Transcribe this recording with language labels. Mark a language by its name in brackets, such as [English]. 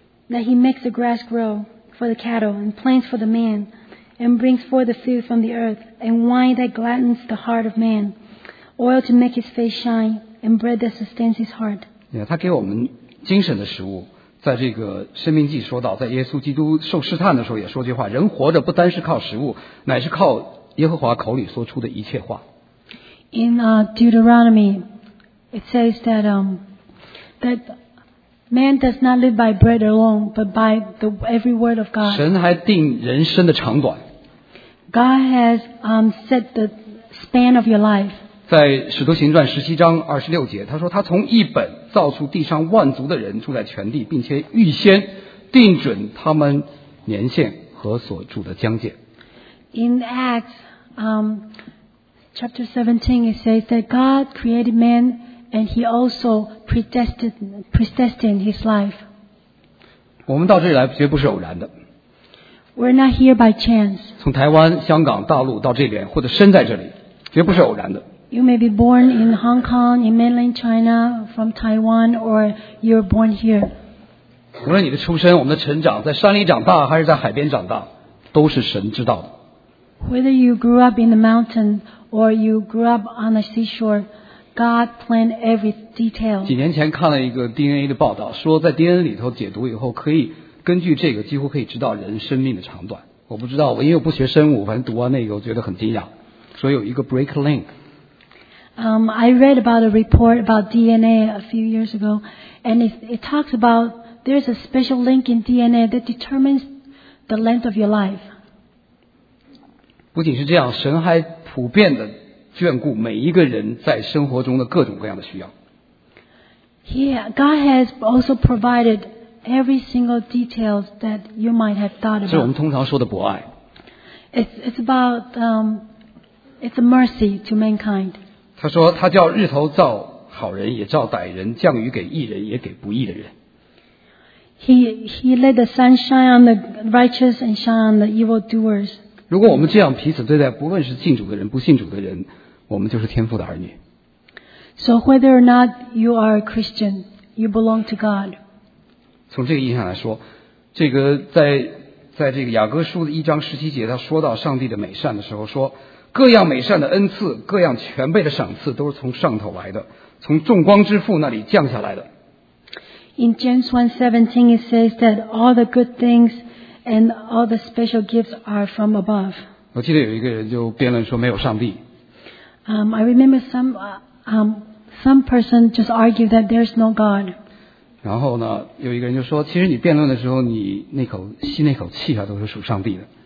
[English] That he makes the grass grow for the cattle and plants for the man, and brings forth the food from the earth, and wine that gladdens the heart of man, oil to make his face shine, and bread that sustains his heart. [Chinese] Yeah, 他给我们精神的食物，在这个生命记说到，在耶稣基督受试探的时候也说句话：人活着不单是靠食物，乃是靠耶和华口里说出的一切话。 [English] In Deuteronomy, it says that that man does not live by bread alone, but by the every word of God. [Chinese] 神还定人生的长短。 [English] God has set the span of your life. [Chinese] 在使徒行传17:26，他说他从一本造出地上万族的人住在全地，并且预先定准他们年限和所住的疆界。 [English] In Acts, Chapter 17, it says that God created man and he also predestined his life. [Chinese] 我们到这里来绝不是偶然的。 [English] We're not here by chance. [Chinese] 从台湾、香港、大陆到这边，或者身在这里，绝不是偶然的。 [English] You may be born in Hong Kong, in mainland China, from Taiwan, or you're born here. [Chinese] 无论你的出身、我们的成长，在山里长大还是在海边长大，都是神知道的。 [English] Whether you grew up in the mountain or you grew up on the seashore, God planned every detail. [Chinese] 几年前看了一个 DNA 的报道，说在 DNA 里头解读以后，可以根据这个几乎可以知道人生命的长短。我不知道，我因为我不学生物，反正读完那个我觉得很惊讶，所以有一个 break link。 [English] I read about a report about DNA a few years ago, and it talks about there's a special link in DNA that determines the length of your life. [Chinese] 不仅是这样，神还普遍的眷顾每一个人在生活中的各种各样的需要。 [English] Yeah, God has also provided every single detail that you might have thought about. [Chinese] 这是我们通常说的博爱。 [English] It's a mercy to mankind. [Chinese] 他说他叫日头照好人也照歹人降雨给义人也给不义的人。 [English] He let the sun shine on the righteous and shine on the evil doers. [Chinese] 如果我们这样彼此对待不论是信主的人不信主的人我们就是天父的儿女。 [English] So whether or not you are a Christian, you belong to God. [Chinese] 从这个意义上来说这个在这个雅各书的一章十七节他说到上帝的美善的时候说各样美善的恩赐各样全备的赏赐都是从上头来的从众光之父那里降下来的。 [English] In James 1:17 it says that all the good things and all the special gifts are from above. [Chinese] 我记得有一个人就辩论说没有上帝。 [English] I remember some person just argued that there's no God. [Chinese] 然后呢有一个人就说其实你辩论的时候你那口吸那口气啊都是属上帝的。